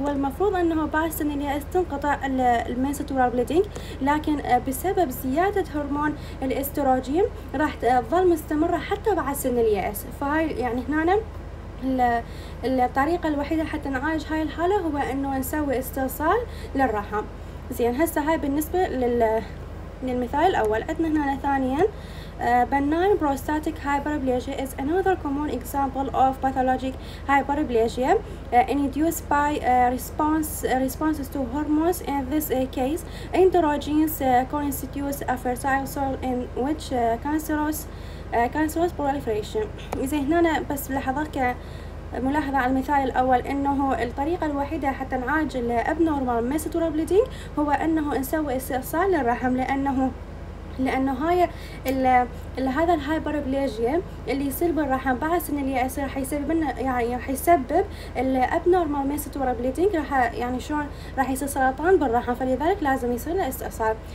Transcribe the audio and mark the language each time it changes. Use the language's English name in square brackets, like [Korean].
[Arabic] هو المفروض انه بعد سن اليأس تنقطع الميستورال بليدنج، لكن بسبب زياده هرمون الاستروجين راح تظل مستمره حتى بعد سن اليأس. فهاي يعني هنا الطريقه الوحيده حتى نعالج هاي الحاله هو انه نسوي استئصال للرحم. زين هسه هاي بالنسبه للمثال الاول. عندنا هنا ثانيا [English] benign prostatic hyperplasia is another common example of pathologic hyperplasia induced by responses to hormones. In this case androgens constitutes a fertile soil in which cancerous proliferation. [Arabic] زين هنا بس لحظه ملاحظة على المثال الأول، إنه الطريقة الوحيدة حتى نعالج الابنورمال ميستورال بليدنج هو إنه نسوي استئصال للرحم، لأنه هاي هذا الهايبربليجيا اللي يصير بالرحم بعد سن اليأس راح يسبب لنا يعني راح يسبب الابنورمال ميستورال بليدنج، راح يعني شلون راح يصير سرطان بالرحم، فلذلك لازم يصير له استئصال.